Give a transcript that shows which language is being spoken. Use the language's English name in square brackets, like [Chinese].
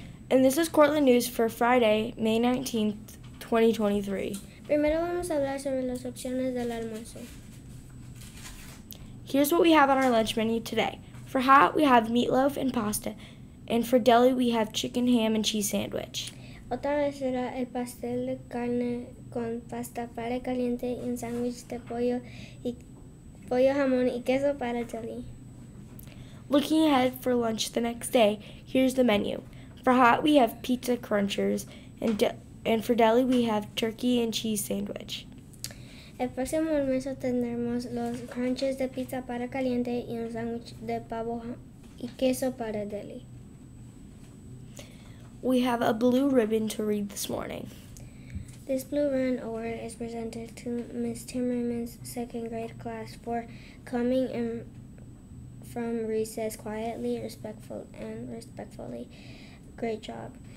[English] And this is Cortland News for Friday, May 19th, 2023. [Spanish] Primero vamos a hablar sobre las opciones del almuerzo. [English] Here's what we have on our lunch menu today. For hot, we have meatloaf and pasta. And for deli, we have chicken, ham, and cheese sandwich. [Spanish] Otra vez será el pastel de carne con pasta para caliente y un sándwich de pollo y pollo jamón y queso para deli. [English] Looking ahead for lunch the next day, here's the menu. For hot, we have pizza crunchers, and for deli, we have turkey and cheese sandwich. [Spanish] El próximo almuerzo tendremos los crunches de pizza para caliente y un sándwich de pavo y queso para deli. [English] We have a blue ribbon to read this morning. This blue ribbon award is presented to Ms. Timmerman's second grade class for coming in from recess quietly, respectfully. Great job.